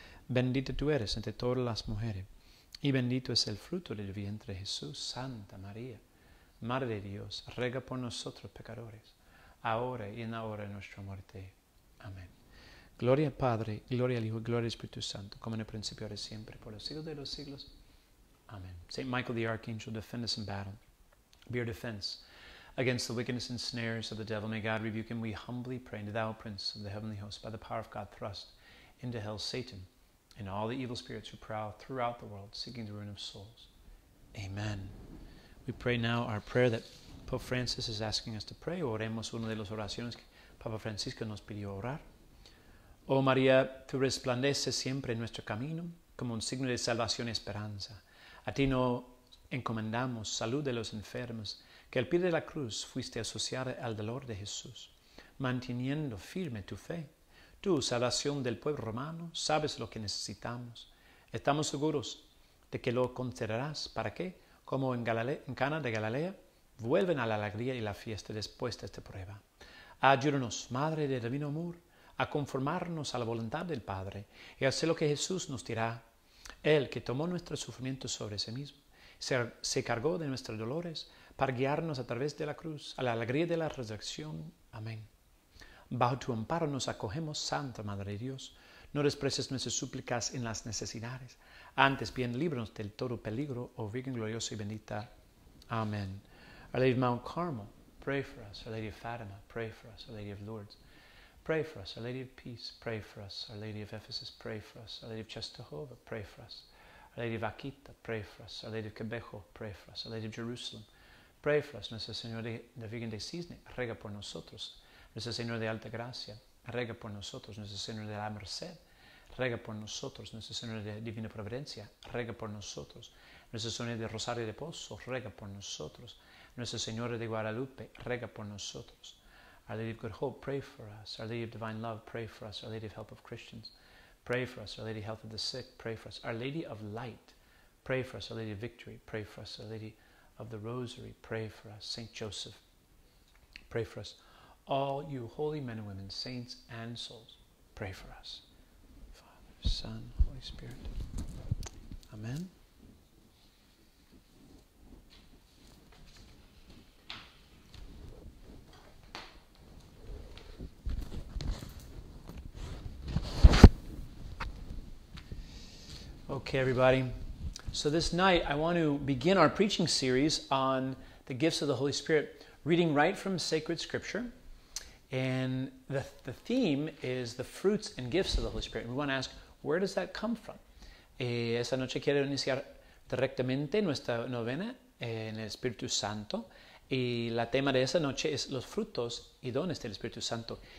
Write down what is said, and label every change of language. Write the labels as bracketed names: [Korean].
[Spanish] Bendita tú eres entre todas las mujeres, y bendito es el fruto del vientre Jesús. Santa María, Madre de Dios, ruega por nosotros pecadores, ahora y en la hora de nuestra muerte. Amén. Gloria al Padre, gloria al Hijo, gloria al Espíritu Santo, como en el principio, ahora y siempre, por los siglos de los siglos. [English] Amén. Saint Michael the Archangel, defend us in battle. Be our defense against the wickedness and snares of the devil. May God rebuke him, we humbly pray. And thou, Prince of the Heavenly Host, by the power of God, thrust into hell Satan and all the evil spirits who prowl throughout the world, seeking the ruin of souls. Amen. We pray now our prayer that Pope Francis is asking us to pray. [Spanish] Oremos una de las oraciones que Papa Francisco nos pidió orar. Oh María, tú resplandeces siempre en nuestro camino como un signo de salvación y esperanza. A ti nos encomendamos salud de los enfermos, que al pie de la cruz fuiste asociada al dolor de Jesús, manteniendo firme tu fe. Tú, salvación del pueblo romano, sabes lo que necesitamos. Estamos seguros de que lo concederás para que, como en Cana de Galilea, vuelven a la alegría y la fiesta después de esta prueba. Ayúdanos, Madre del Divino Amor, a conformarnos a la voluntad del Padre y hacer lo que Jesús nos dirá. Él, que tomó nuestro sufrimiento sobre sí mismo, se cargó de nuestros dolores para guiarnos a través de la cruz, a la alegría de la resurrección. Amén. Bajo tu amparo nos acogemos, Santa Madre de Dios. No desprecies nuestras súplicas en las necesidades. Antes bien, líbranos del todo peligro, oh Virgen gloriosa y bendita. Amén. [English] Our Lady of Mount Carmel, pray for us. Our Lady of Fatima, pray for us. Our Lady of Lourdes, pray for us. Our Lady of Peace, pray for us. Our Lady of Ephesus, pray for us. Our Lady of Częstochowa, pray for us. Our Lady of Akita, pray for us. Our Lady of Quebejo, pray for us. Our Lady of Jerusalem, pray for us. [Spanish] Nuestra Señora de la Virgen de Cisne, rega por nosotros. Nuestra Señora de Alta Gracia, rega por nosotros. Nuestra Señora de la Merced, rega por nosotros. Nuestra Señora de Divina Providencia, rega por nosotros. Nuestra Señora de Rosario de Pozo, rega por nosotros. Nuestra Señora de Guadalupe, rega por nosotros. [English] Our Lady of Good Hope, pray for us. Our Lady of Divine Love, pray for us. Our Lady of Help of Christians, pray for us. Our Lady of Health of the Sick, pray for us. Our Lady of Light, pray for us. Our Lady of Victory, pray for us. Our Lady of the Rosary, pray for us. Saint Joseph, pray for us. All you holy men and women, saints and souls, pray for us. Father, Son, Holy Spirit. Amen. Okay, everybody. So this night, I want to begin our preaching series on the gifts of the Holy Spirit, reading right from sacred scripture. And the theme is the fruits and gifts of the Holy Spirit. And we want to ask, where does that come from? [Spanish] Esta noche quiero iniciar directamente nuestra novena en el Espíritu Santo. Y la tema de esta noche es los frutos y dones del Espíritu Santo.